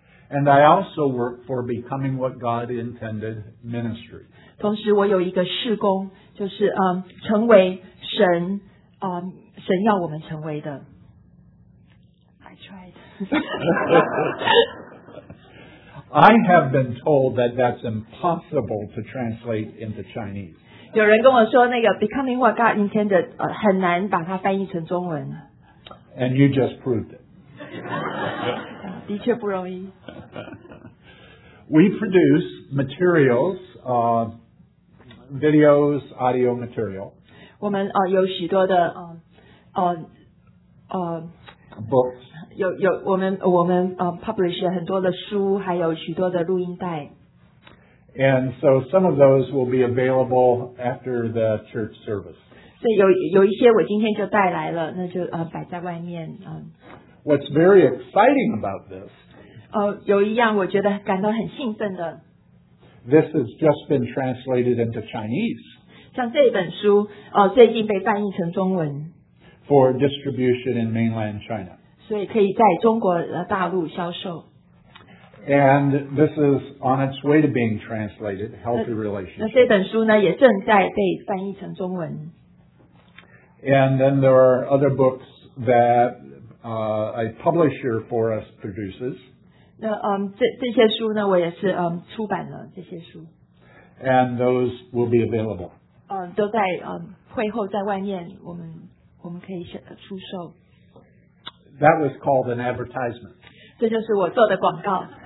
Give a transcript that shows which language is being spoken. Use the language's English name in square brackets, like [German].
[English] And I also work for Becoming What God Intended Ministry. [Chinese] 同时，我有一个事工，就是成为神。神要我们成为的。 [English] I tried. I have been told that that's impossible to translate into Chinese. [Chinese] 有人跟我说那个 [English] becoming what God intended [Chinese] 很难把它翻译成中文。 [English] And you just proved it. [Chinese] 的确不容易。 [English] We produce materials, videos, audio material. [Chinese] 我们有许多的 [English] books. [Chinese] 有我们publish 很多的书，还有许多的录音带。 [English] And so some of those will be available after the church service. [Chinese] 所以有一些我今天就带来了，那就摆在外面。 [English] What's very exciting about this? [Chinese] 有一样我觉得感到很兴奋的。 [English] This has just been translated into Chinese. [Chinese] 像这本书最近被翻译成中文。 [English] For distribution in mainland China. [Chinese] 所以可以在中国大陆销售。 [English] And this is on its way to being translated, Healthy Relationship. [Chinese] 那这本书呢，也正在被翻译成中文。 [English] And then there are other books that a publisher for us produces. [Chinese] 那这些书呢，我也是出版了这些书。 [English] And those will be available. [Chinese] 都在会后在外面我们可以出售。 [English] That was called an advertisement. [Chinese] 这就是我做的广告。